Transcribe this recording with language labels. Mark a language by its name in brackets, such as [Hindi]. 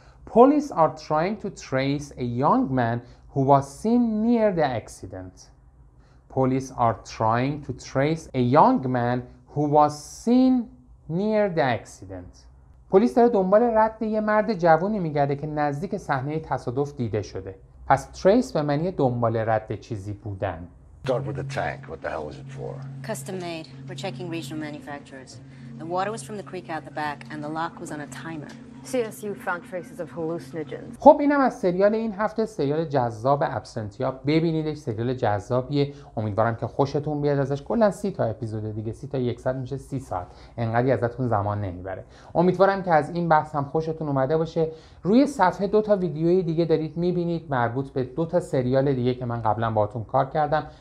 [English] Police are trying to trace a young man who was seen near the accident. Police are trying to trace a young man who was seen near the accident. [Persian] پلیس داره دنبال رد یه مرد جوونی میگرده که نزدیک صحنه تصادف دیده شده. پس trace به معنی دنبال رد چیزی بودن. [English] Start with the tank. What the hell is it for? Custom made. We're checking regional manufacturers. The water was from the creek out the back and the lock was on a timer. CSU found traces of hallucinogens. [Persian] خب اینم از سریال این هفته، سریال جذاب ابسنتیا. ببینیدش، سریال جذابیه. امیدوارم که خوشتون بیاد ازش. کلا 30 تا اپیزود دیگه، 30 تا 100 میشه 30 ساعت. انقدی ازتون زمان نمیبره. امیدوارم که از این بحث هم خوشتون اومده باشه. روی صفحه دو تا ویدیوی دیگه دارید میبینید مربوط به دو تا سریال دیگه که من قبلا باهاتون کار کردم.